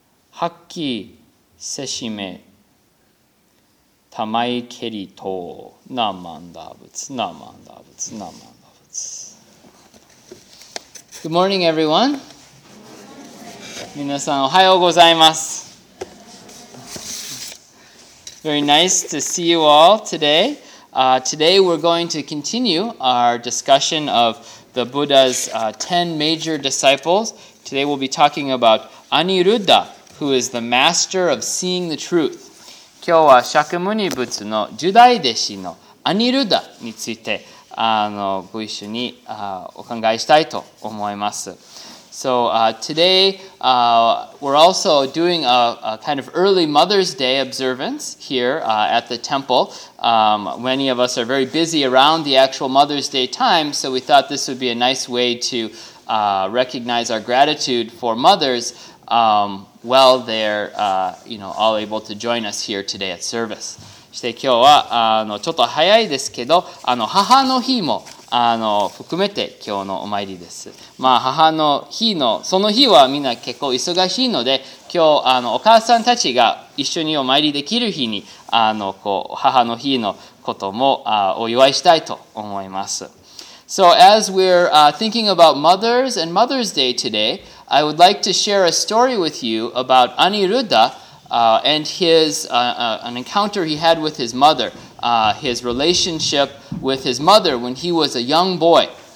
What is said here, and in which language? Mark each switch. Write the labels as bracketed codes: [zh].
[ja] はっきりせしめたまいけりとなまんだぶつなまんだぶつなまんだぶつ。 [en] Good morning, everyone. [ja] みなさんおはようございます。 [en] Very nice to see you all today. Today we're going to continue our discussion of the Buddha's 10 major disciples. Today we'll be talking about Aniruddha. Who is the master of seeing the truth? [ja] 今日は釈迦仏の十大弟子のアニルダについてご一緒にお考えしたいと思います。 [en] So today we're also doing a kind of early Mother's Day observance here at the temple. Many of us are very busy around the actual Mother's Day time, so we thought this would be a nice way to recognize our gratitude for mothers. Well, they're, all able to join us here today at service. [ja] そして今日は、ちょっと早いですけど、母の日も、含めて今日のお参りです。まあ、母の日の、その日はみんな結構忙しいので、今日、お母さんたちが一緒にお参りできる日に、母の日のことも、お祝いしたいと思います。 [en] So, as we're, thinking about Mothers and Mother's Day today,I would like to share a story with you about Aniruddha and his an encounter he had with his mother, his relationship with his mother when he was a young boy.